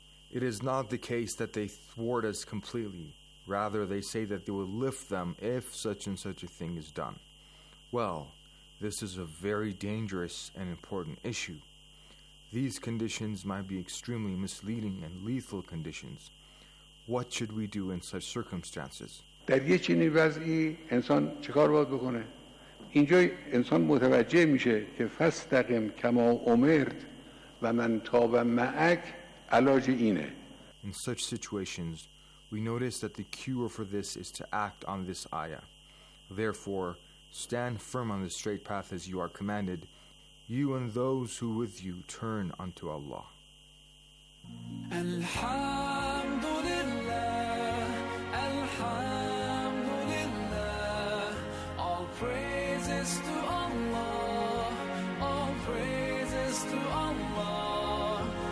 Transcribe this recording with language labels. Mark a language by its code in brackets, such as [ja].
[en] It is not the case that they thwart us completely. Rather, they say that they will lift them if such and such a thing is done. Well, this is a very dangerous and important issue. These conditions might be extremely misleading and lethal conditions. What should we do in such circumstances? [fa] در یه چنین وضعی انسان چیکار باید بکنه؟ اینجا انسان متوجه میشه که [ar] فاستقم کما امرت و من تاب معک [fa] علاج اینه. [en] In such situations, we notice that the cure for this is to act on this ayah. Therefore, stand firm on the straight path as you are commanded. You and those who with you turn unto Allah. Alhamdulillah, Alhamdulillah, all praises to Allah, all praises to Allah.